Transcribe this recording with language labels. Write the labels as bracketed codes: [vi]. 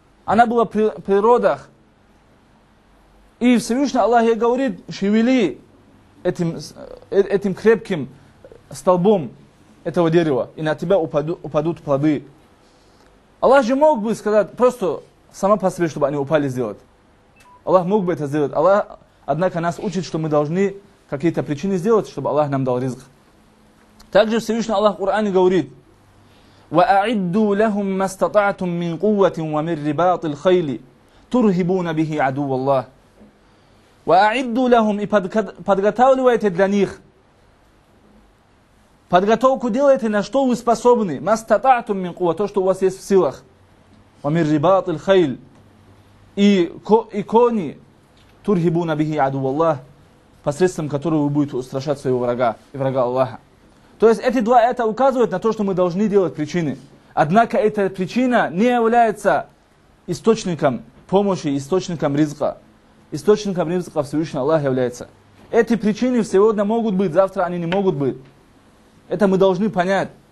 [ru] она была при родах. И Всевышний Аллах ей говорит, шевели этим крепким столбом этого дерева, и на тебя упадут плоды. Аллах же мог бы сказать, просто сама по себе, чтобы они упали сделать. Аллах мог бы это сделать. Аллах, однако, нас учит, что мы должны какие-то причины сделать, чтобы Аллах нам дал ризг. [ar] Также Всевышний Аллах в Коране говорит, وَأَعِدُّوا لَهُمْ مَا اسْتَطَعْتُمْ مِنْ قُوَّةٍ وَمِنْ رِبَاطِ الْخَيْلِ تُرْهِبُونَ بِهِ عَدُوَّ اللَّهِ وَأَعِدُّوا لَهُمْ [ru] и подготавливайте для них. Подготовку делайте, на что вы способны. [ar] مَا اسْتَطَعْتُمْ مِنْ قُوَّةٍ [ru] то, что у вас есть в силах. [ar] وَمِنْ رِبَاطِ الْخَيْلِ [ru] и кони. [ar] تُرْهِبُونَ بِهِ عَدُوَّ اللَّهِ [ru] посредством которого вы будете устрашать своего врага и врага Аллаха. То есть эти два аята указывают на то, что мы должны делать причины. Однако эта причина не является источником помощи, источником ризка. Источником ризка Всевышний Аллах является. Эти причины сегодня могут быть, завтра они не могут быть. Это мы должны понять.